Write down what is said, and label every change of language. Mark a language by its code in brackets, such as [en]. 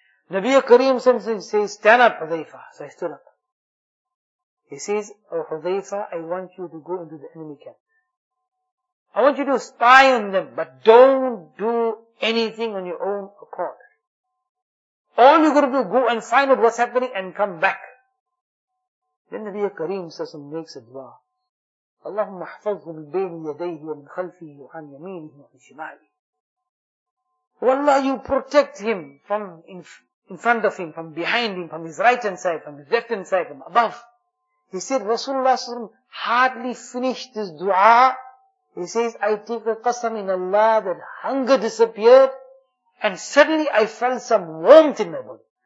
[en] Nabi Kareem says, stand up, Hudhayfa. So I stood up. He says, Oh Hudhayfa, I want you to go into the enemy camp. I want you to spy on them, but don't do anything on your own accord. All you're going to do, go and find out what's happening and come back. Then Nabi Kareem says, makes a dua. [ar] اللهم احفظه من بين يديه ومن خلفه وعن يمينه وعن شماله. [en] والله, you protect him from in front of him, from behind him, from his right hand side, from his left hand side, from above. He said, Rasulullah [ar] صلى الله عليه وسلم [en] hardly finished this dua. He says, I take a qasam in Allah that hunger disappeared and suddenly I felt some warmth in my body.